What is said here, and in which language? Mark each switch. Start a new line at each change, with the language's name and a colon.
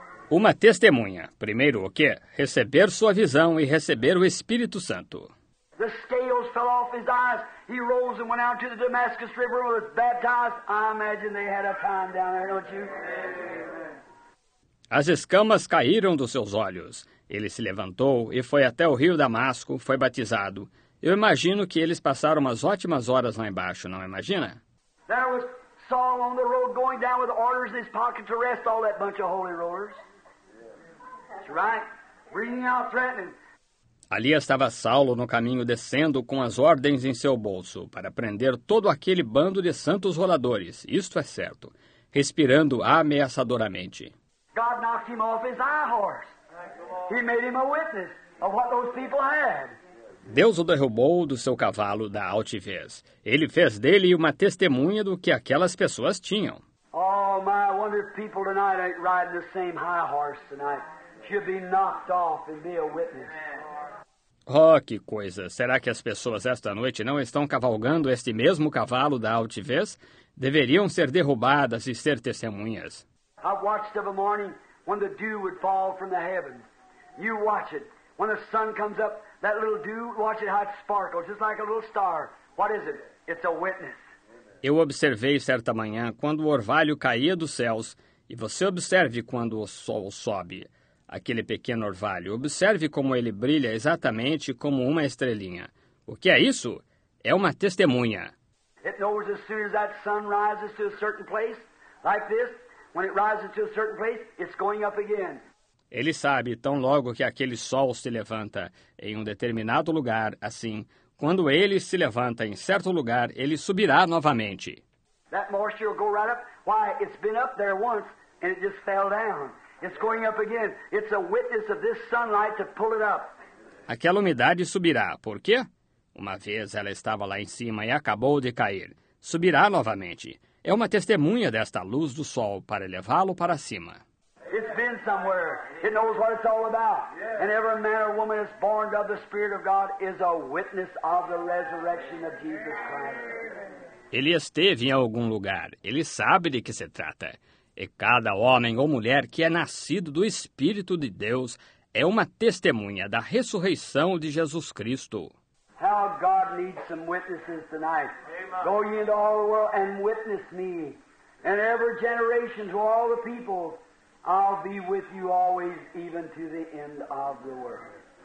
Portuguese: Uma testemunha. Primeiro o quê? Receber sua visão e receber o Espírito Santo.
English: The scales fell off his eyes. He rose and went out to the Damascus River and was baptized. I imagine they had a time down there, don't you?
Portuguese: As escamas caíram dos seus olhos. Ele se levantou e foi até o rio Damasco, foi batizado. Eu imagino que eles passaram umas ótimas horas lá embaixo, não imagina?
English: There was Saul on the road going down with orders in his pocket to arrest all that bunch of holy rollers. That's right. Bringing out threatening.
Portuguese: Ali estava Saulo no caminho descendo com as ordens em seu bolso para prender todo aquele bando de santos roladores, isto é certo, respirando ameaçadoramente.
English: God knocked him off his high horse. He made him a witness of what those people had.
Portuguese: Deus o derrubou do seu cavalo da altivez. Ele fez dele uma testemunha do que aquelas pessoas tinham.
English: Oh, my, I wonder if people tonight ain't riding the same high horse tonight. Should be knocked off and be a witness.
Portuguese: Oh, que coisa! Será que as pessoas esta noite não estão cavalgando este mesmo cavalo da altivez? Deveriam ser derrubadas e ser testemunhas.
English: I watched of a morning when the dew would fall from the heavens. You watch it. When the sun comes up, that little dew, watch it how it sparkles, just like a little star. What is it? It's a witness.
Portuguese: Eu observei certa manhã quando o orvalho caía dos céus, e você observe quando o sol sobe. Aquele pequeno orvalho, observe como ele brilha exatamente como uma estrelinha. O que é isso? É uma testemunha.
English: It knows as soon as that sun rises to a certain place, like this, when it rises to a certain place, it's going up again.
Portuguese: Ele sabe, tão logo que aquele sol se levanta em um determinado lugar, assim, quando ele se levanta em certo lugar, ele subirá novamente.
English: That moisture will go right up. Why, it's been up there once, and it just fell down. It's going up again. It's a witness of this sunlight to pull it up.
Portuguese: Aquela umidade subirá. Por quê? Uma vez ela estava lá em cima e acabou de cair. Subirá novamente. É uma testemunha desta luz do sol para levá-lo para cima.
English: It's been somewhere. It knows what it's all about. And every man or woman that's born of the Spirit of God is a witness of the resurrection of Jesus Christ.
Portuguese: Ele esteve em algum lugar. Ele sabe de que se trata. E cada homem ou mulher que é nascido do Espírito de Deus é uma testemunha da ressurreição de Jesus Cristo.
English: How God needs some witnesses tonight. Amen. Go ye into all the world and witness me. And every generation to all the people, I'll be with you always, even to the end of the world.